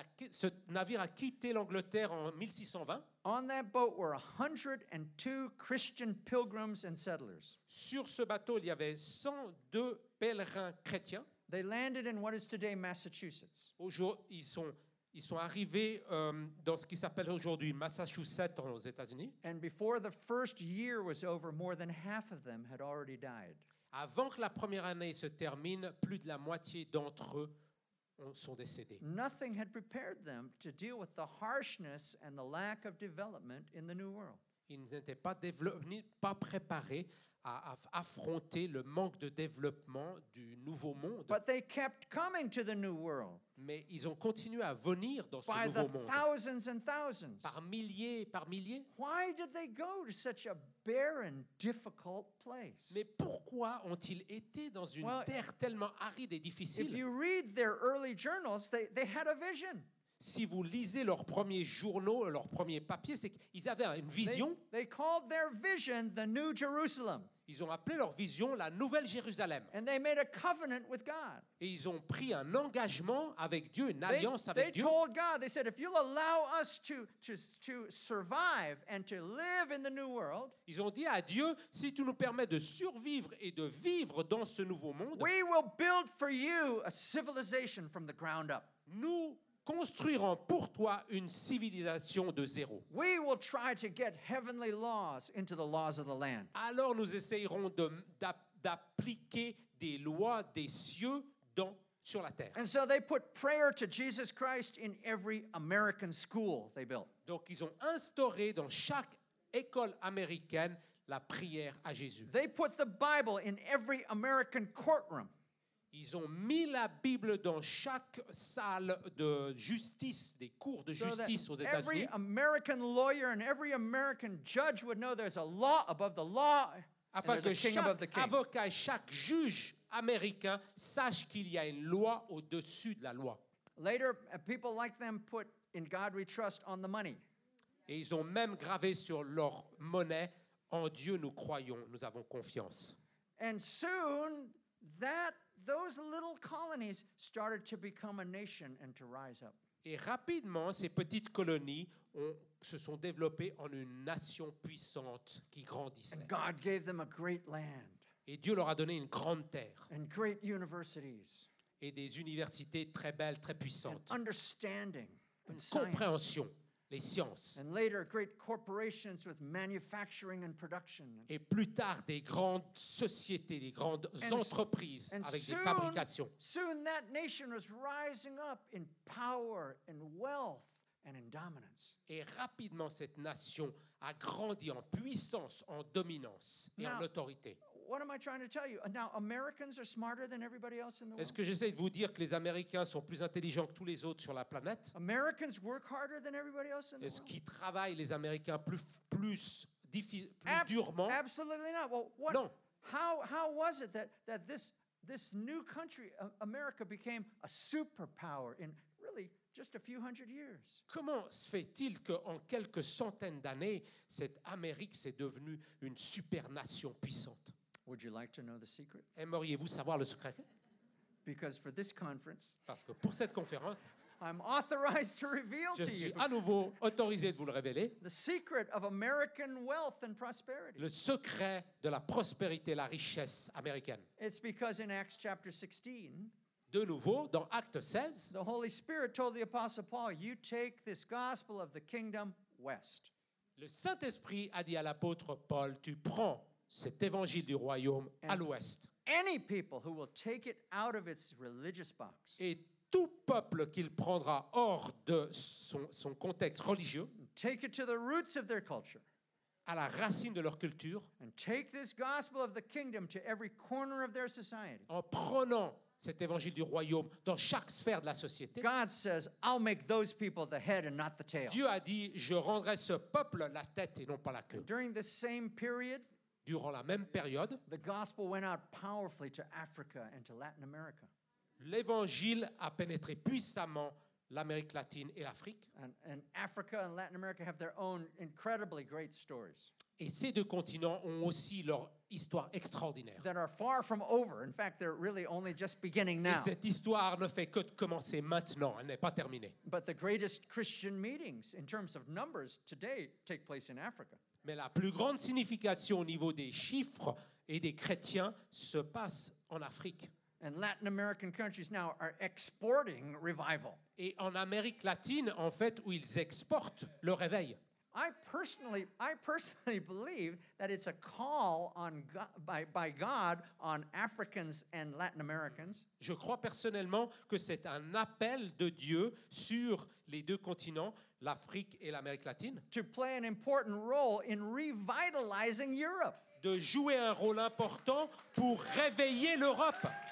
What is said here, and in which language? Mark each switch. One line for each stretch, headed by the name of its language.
French: Ce navire a quitté l'Angleterre en 1620.
English: On that boat were 102 Christian pilgrims and settlers.
French: Sur ce bateau, il y avait 102 pèlerins chrétiens.
English: They landed in what is today Massachusetts.
French: Aujourd'hui, ils sont arrivés dans ce qui s'appelle aujourd'hui Massachusetts aux États-Unis.
English: And before the first year was over, more than half of them had already died.
French: Avant que la première année se termine, plus de la moitié d'entre eux sont décédés.
English: Nothing had prepared them to deal with the harshness and the lack of development in the new world.
French: Ils n'étaient pas préparés à affronter le manque de développement du nouveau monde.
English: But they kept coming to the new world.
French: Mais ils ont continué à venir dans ce nouveau monde.
English: By the thousands and thousands.
French: Par milliers et par milliers.
English: Why did they go to such a barren, difficult place?
French: Mais pourquoi ont-ils été dans une terre tellement aride et difficile?
English: If you read their early journals, they had a vision.
French: Si vous lisez leurs premiers journaux, leurs premiers papiers, c'est qu'ils avaient une vision.
English: They called their vision the New Jerusalem.
French: Ils ont appelé leur vision la Nouvelle Jérusalem.
English: And they made a covenant with God.
French: Et ils ont pris un engagement avec Dieu, une alliance avec Dieu.
English: They told God, they said, if you'll allow us to survive and to live in the new world,
French: ils ont dit à Dieu, si tu nous permets de survivre et de vivre dans ce nouveau monde,
English: we will build for you a civilization from the ground up.
French: Nous construirons pour toi une civilisation de zéro.
English: We will try to get heavenly laws into the laws of the land.
French: Alors nous essayerons d'appliquer des lois des cieux sur la terre.
English: And so they put prayer to Jesus Christ in every American school they built.
French: Donc ils ont instauré dans chaque école américaine la prière à Jésus.
English: They put the Bible in every American courtroom.
French: Ils ont mis la Bible dans chaque salle de justice, des cours de justice aux États-Unis.
English: Every American lawyer and every American judge would know there's a law above the law and there's a king above the king.
French: Afin que chaque avocat, chaque juge américain sache qu'il y a une loi au-dessus de la loi.
English: Later, people like them put "In God We Trust" on the money.
French: Et ils ont même gravé sur leur monnaie "En Dieu nous croyons, nous avons confiance."
English: And soon those little colonies started to become a nation and to rise up.
French: Et rapidement, ces petites colonies se sont développées en une nation puissante qui grandissait.
English: And God gave them a great land.
French: Et Dieu leur a donné une grande terre.
English: And great universities.
French: Et des universités très belles, très puissantes.
English: And understanding.
French: Une compréhension. Les sciences.
English: And later, great corporations with manufacturing and production.
French: Et plus tard, des grandes sociétés, des grandes entreprises avec des fabrications.
English: Soon that nation was rising up in power, in wealth, and in dominance.
French: Et rapidement, cette nation a grandi en puissance, en dominance et
English: now,
French: en autorité.
English: What am I trying to tell you? Now, Americans are smarter than everybody else in the world.
French: Est-ce que j'essaie de vous dire que les Américains sont plus intelligents que tous les autres sur la planète?
English: Americans work harder than everybody else in the world.
French: Est-ce qu'ils travaillent les Américains plus durement?
English: Absolutely not. Well, what?
French: Non.
English: How was it that this new country, America, became a superpower in really just a few hundred years?
French: Comment se fait-il que en quelques centaines d'années, cette Amérique s'est devenue une supernation puissante?
English: Would you like to know the secret?
French: Aimeriez-vous savoir le secret?
English: Because for this conference,
French: parce que pour cette conférence,
English: I'm authorized to reveal to you.
French: Je suis à nouveau autorisé de vous le révéler.
English: The secret of American wealth and prosperity.
French: Le secret de la prospérité, la richesse américaine.
English: It's because in Acts chapter 16,
French: de nouveau dans Acte 16,
English: the Holy Spirit told the apostle Paul, "You take this gospel of the kingdom west."
French: Le Saint-Esprit a dit à l'apôtre Paul, "Tu prends cet évangile du royaume à l'ouest."
English: Any people who will take it out of its religious box.
French: Et tout peuple qu'il prendra hors de son contexte religieux.
English: Take it to the roots of their culture.
French: À la racine de leur culture.
English: And take this gospel of the kingdom to every corner of their society.
French: En prenant cet évangile du royaume dans chaque sphère de la société.
English: God says, "I'll make those people the head and not the tail."
French: Dieu a dit, je rendrai ce peuple la tête et non pas la queue.
English: During the same period.
French: Durant la même période,
English: the gospel went out powerfully to Africa and to Latin America.
French: L'évangile a pénétré puissamment l'Amérique latine et l'Afrique.
English: And Africa and Latin America have their own incredibly great stories.
French: Et ces deux continents ont aussi leur histoire extraordinaire.
English: That are far from over. In fact, they're really only just beginning now.
French: Et cette histoire ne fait que de commencer maintenant, elle n'est pas terminée.
English: But the greatest Christian meetings in terms of numbers today take place in Africa.
French: Mais la plus grande signification au niveau des chiffres et des chrétiens se passe en Afrique.
English: And Latin American countries now are exporting revival.
French: Et en Amérique latine, en fait, où ils exportent le réveil.
English: I personally believe that it's a call on by God on Africans and Latin Americans.
French: Je crois personnellement que c'est un appel de Dieu sur les deux continents, l'Afrique et l'Amérique latine.
English: To play an important role in revitalizing Europe.
French: De jouer un rôle important pour réveiller l'Europe.